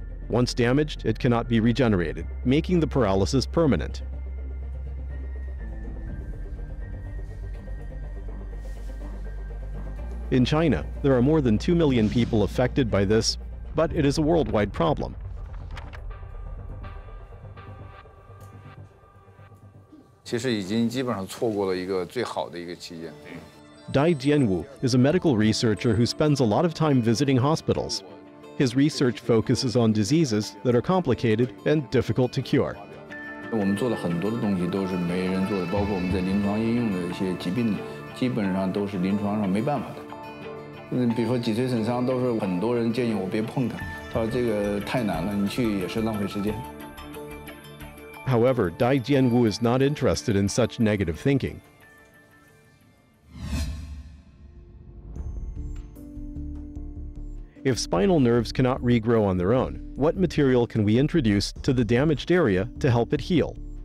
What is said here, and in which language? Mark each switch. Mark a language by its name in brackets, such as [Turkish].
[English] Once damaged, it cannot be regenerated, making the paralysis permanent. In China, there are more than 2 million people affected by this, but it is a worldwide problem. [Chinese] 其实已经基本上错过了一个最好的一个期间。 [English] Dai Jianwu is a medical researcher who spends a lot of time visiting hospitals. His research focuses on diseases that are complicated and difficult to cure. [Chinese] 我们做了很多的东西都是没人做的，包括我们在临床应用的一些疾病，基本上都是临床上没办法的。比如说脊髓损伤，都是很多人建议我别碰它，他说这个太难了，你去也是浪费时间。 [English] However, Dai Jianwu is not interested in such negative thinking. If spinal nerves cannot regrow on their own, what material can we introduce to the damaged area to help it heal?